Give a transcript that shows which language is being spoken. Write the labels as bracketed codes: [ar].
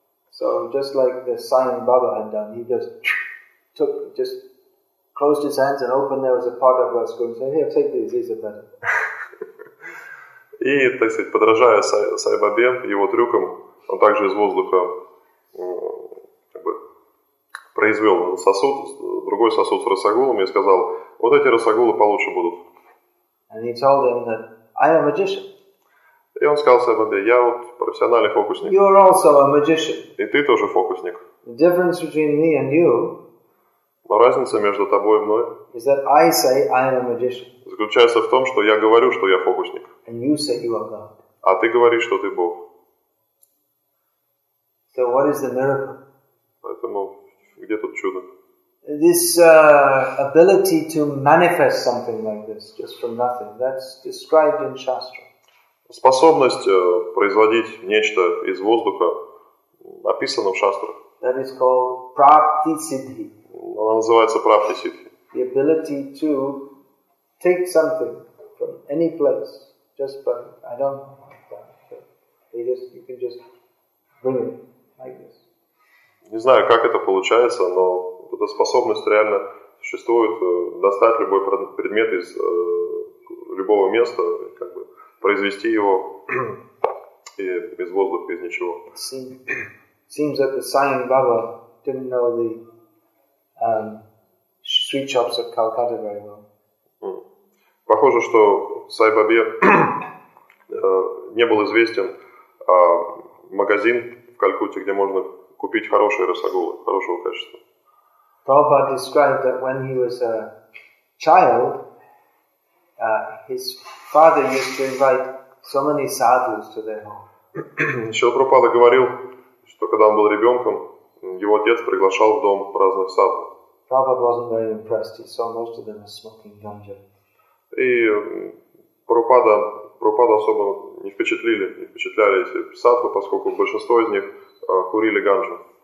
[en] So just like the Sai Baba had done, he just closed his hands and opened, there was a pot of rice going, so here, take these are better. [ru] И, так сказать, подражая Сай Бабе, его трюкам, он также из воздуха произвел сосуд, другой сосуд с расагулами и сказал, вот эти расагулы получше будут. [en] And he told him that I am a magician. [ru] И он сказал Сай Бабе, я вот профессиональный фокусник. [en] You are also a magician. [ru] И ты тоже фокусник. [en] The difference between me and you. [ru] Но разница между тобой и мной [en] is that I say I am a magician. [ru] Заключается в том, что я говорю, что я фокусник. [en] And you say you are God. [ru] А ты говоришь, что ты Бог. [en] So what is the miracle? [ru] Поэтому где тут чудо? [en] This ability to manifest something like this just from nothing, that's described in Shastra. [ru] Способность производить нечто из воздуха описана в Шастрах. [en] That is called prapti siddhi. [ru] Она называется прапти сиддхи. [en] The ability to take something from any place just by, I don't know, you can just bring it like this. [ru] Не знаю, как это получается, но эта способность реально существует, достать любой предмет из любого места, как бы произвести его и из воздуха, из ничего. [en] Seems that the Sai Baba didn't know the street shops of Calcutta very well. [ru] Похоже, что Сай Бабе не был известен магазин в Калькутте, где можно купить хорошие расагулы, хорошего качества. [en] Prabhupada described that when he was a child, his father used to invite so many sadhus to their home. [ru] Шрила Прабхупада говорил, что когда он был ребенком, его отец приглашал в дом разных садху. [en] Prabhupada wasn't very impressed. He saw most of them as smoking ganja. [ru] И Прабхупада особо не впечатляли эти садху, поскольку большинство из них курили ганджу.